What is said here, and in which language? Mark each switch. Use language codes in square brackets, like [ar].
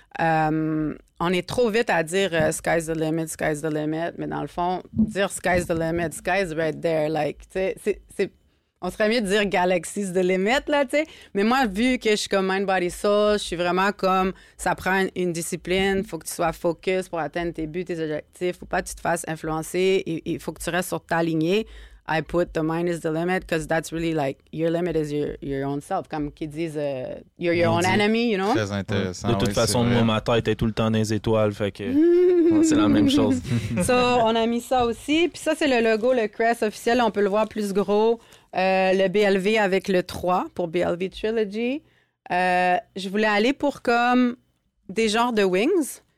[fr] On est trop vite à dire « [en] sky's the limit, sky's the limit [fr] », mais dans le fond, dire « [en] sky's the limit, sky's right there [fr] », like, tu sais, on serait mieux de dire « [en] galaxy's the limit [fr] », là, tu sais. Mais moi, vu que je suis comme « [en] mind, body, soul [fr] », je suis vraiment comme « ça prend une discipline, il faut que tu sois focus pour atteindre tes buts, tes objectifs, il faut pas que tu te fasses influencer, il faut que tu restes sur ta lignée ». [en] I put the mind is the limit because that's really like your limit is your own self. [fr] Comme qu'ils disent, [en] you're your own enemy, you know? [fr] Très intéressant. De toute façon, moi, ma tête était tout le temps dans les étoiles, fait que c'est la même chose. So, on a mis ça aussi. Puis ça, c'est le logo, le crest officiel. On peut le voir plus gros. Le BLV avec le 3 pour BLV Trilogy. Je voulais aller pour comme des genres de wings.